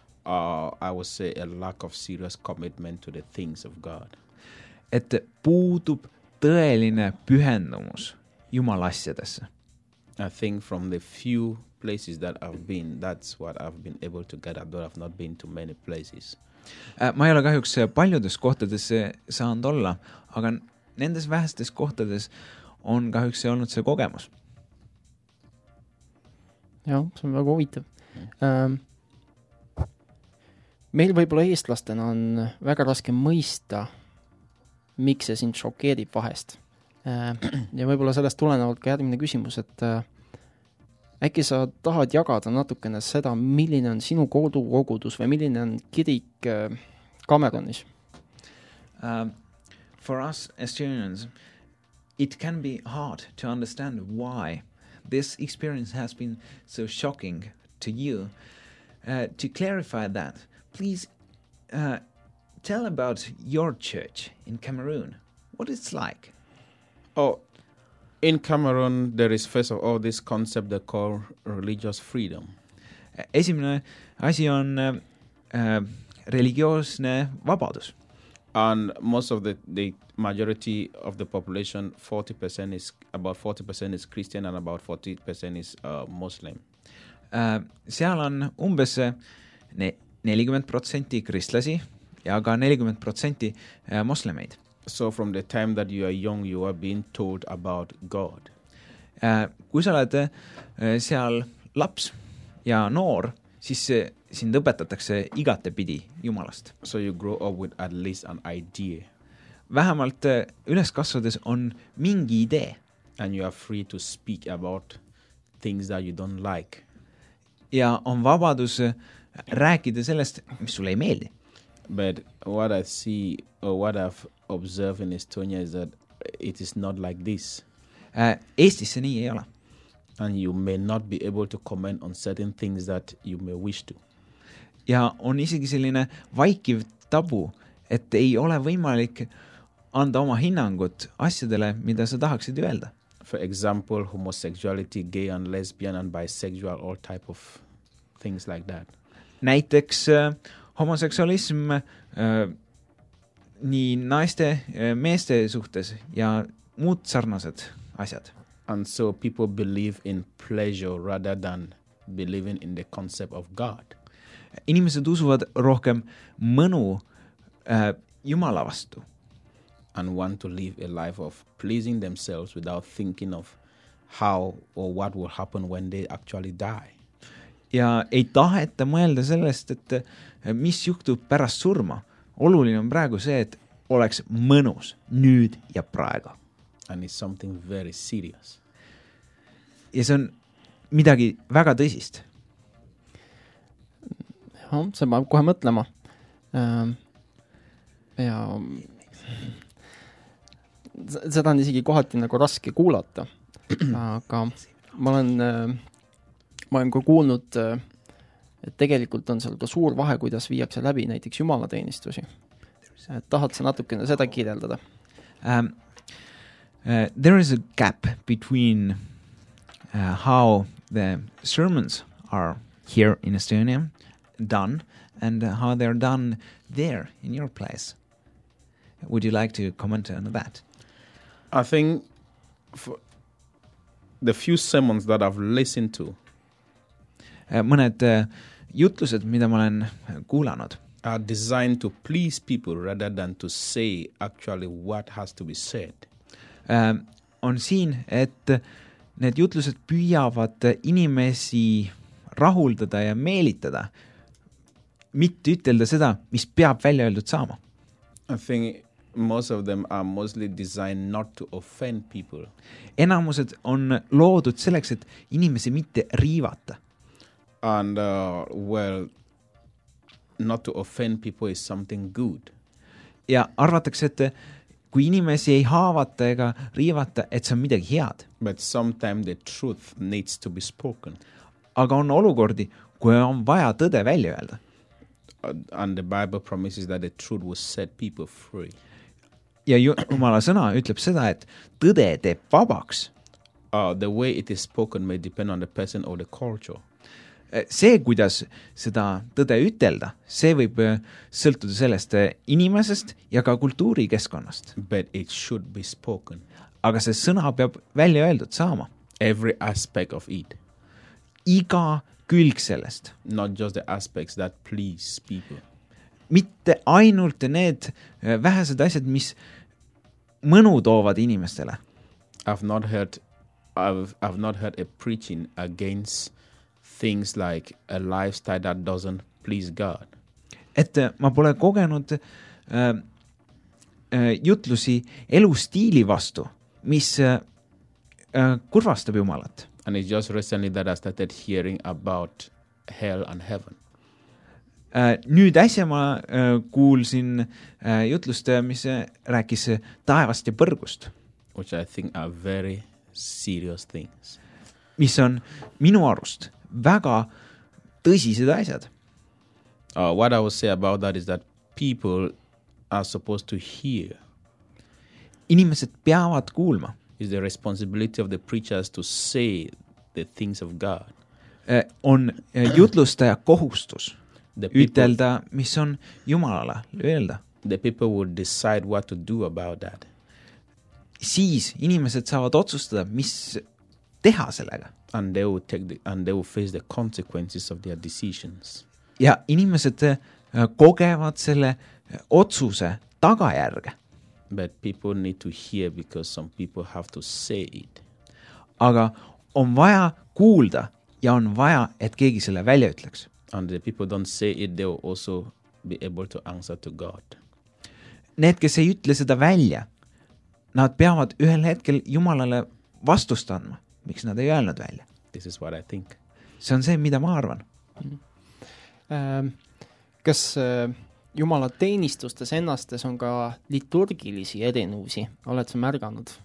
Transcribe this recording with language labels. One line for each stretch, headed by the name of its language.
English: I would say a lack of serious commitment to the things of God.
Estonian: Et puudub tõeline pühendumus Jumala asjadesse.
English: I think from the few places that I've been, that's what I've been able to get up, but I've not been to many places.
Estonian: Ma ei ole kahjuks paljudes kohtades saanud olla, aga nendes vähestes kohtades on kahjuks see olnud see kogemus. Jah, see on väga huvitav. Meil võibolla eestlastena on väga raske mõista, miks see sind šokeerib vahest. Ja võibolla sellest tulenevalt ka järgmine küsimus, et äkki sa tahad jagada natukene seda, milline on sinu kodukogudus või milline on kirik Kameronis?
English: For us Estonians, it can be hard to understand why this experience has been so shocking to you. To clarify that, please tell about your church in Cameroon. What it's like? Oh, in Cameroon, there is first of all this concept they call religious freedom.
Estonian: Esimene asi on religioosne vabadus.
English: And most of the majority of the population, 40% is, about 40% is Christian and about 40% is Muslim.
Estonian: Seal on umbes 40% kristlasi ja ka 40% moslemeid.
English: So from the time that you are young, you are being told about God.
Estonian: Kui sa oled seal laps ja noor, siis sind õpetatakse igate pidi Jumalast.
English: So you grow up with at least an idea.
Estonian: Vähemalt üles kasvades on mingi idee.
English: And you are free to speak about things that you don't like.
Estonian: Ja on vabadus rääkida sellest, mis sulle ei meeldi.
English: But what I see or what I've observed in Estonia is that it is not like this.
Estonian: Eestis see nii ei ole.
English: And you may not be able to comment on certain things that you may wish to.
Estonian: Ja on isegi selline vaikiv tabu, et ei ole võimalik anda oma hinnangut asjadele, mida sa tahaksid öelda.
English: For example, homosexuality, gay and lesbian and bisexual, all type of things like that.
Estonian: Näiteks homoseksualism nii naiste meeste suhtes ja muud sarnased asjad.
English: And so people believe in pleasure rather than believing in the concept of God.
Estonian: Inimesed usuvad rohkem mõnu Jumala vastu.
English: And want to live a life of pleasing themselves without thinking of how or what will happen when they actually die.
Estonian: Ja ei taheta mõelda sellest, et mis juhtub pärast surma. Oluline on praegu see, et oleks mõnus nüüd ja praegu.
English: And it's something very serious.
Estonian: Ja see on midagi väga tõsist. Ja, see peab kohe mõtlema. Ja seda on isegi kohati nagu raske kuulata. Aga ma olen ka kuulnud, et tegelikult on seal ka suur vahe, kuidas viiakse läbi näiteks Jumala teenistusi. Tahad sa natukene seda kirjeldada?
English: There is a gap between how the sermons are here in Estonia done and how they are done there in your place. Would you like to comment on that? I think for the few sermons that I've listened to,
Estonian: mõned jutlused, mida ma olen kuulanud,
English: are designed to please people rather than to say actually what has to be said.
Estonian: On siin, et need jutlused püüavad inimesi rahuldada ja meelitada, mitte ütelda seda, mis peab välja öeldud saama.
English: I think most of them are mostly designed not to offend people.
Estonian: Enamused on loodud selleks, et inimesi mitte riivata.
English: And well, not to offend people is something good.
Estonian: Ja arvatakse, et kui inimesi ei haavata ega riivata, et see on midagi head.
English: But sometimes the truth needs to be spoken.
Estonian: Aga on olukordi, kui on vaja tõde välja öelda.
English: And the Bible promises that the truth will set people free.
Estonian: Ja Jumala sõna ütleb seda, et tõde teeb vabaks.
English: The way it is spoken may depend on the person or the culture.
Estonian: See, kuidas seda tõde ütelda, see võib sõltuda sellest inimesest ja ka kultuurikeskkonnast.
English: But it should be spoken.
Estonian: Aga see sõna peab välja öeldud saama.
English: Every aspect of it.
Estonian: Iga külg sellest.
English: Not just the aspects that please people.
Estonian: Mitte ainult need vähesed asjad, mis mõnu toovad inimestele.
English: I've not heard a preaching against things like a lifestyle that doesn't please God.
Estonian: Et ma pole kogenud jutlusi elustiili vastu, mis kurvastab Jumalat.
English: And it's just recently that I started hearing about hell and heaven.
Estonian: Nüüd äsja ma kuulsin jutlust, mis rääkis taevast ja põrgust.
English: Which I think are very serious things.
Estonian: Mis on minu arust väga tõsised asjad.
English: What I would say about that is that people are supposed to hear.
Estonian: Inimesed peavad kuulma.
English: It's the responsibility of the preachers to say the things of God.
Estonian: On jutlustaja kohustus. Ütelda, mis on Jumalale öelda.
English: The people will decide what to do about that.
Estonian: Siis inimesed saavad otsustada, mis teha sellega.
English: And they will take and they will face the consequences of their decisions.
Estonian: Ja inimesed kogevad selle otsuse tagajärge.
English: But people need to hear because some people have to say it.
Estonian: Aga on vaja kuulda ja on vaja, et keegi selle välja ütleks.
English: And the people don't say it, they will also be able to answer to God.
Estonian: Need, kes ei ütle seda välja, nad peavad ühel hetkel Jumalale vastust andma, miks nad ei öelnud välja.
English: This is what I think.
Estonian: See on see, mida ma arvan. Kas Jumala teenistustes ennastes on ka liturgilisi erinevusi? Oled sa märganud?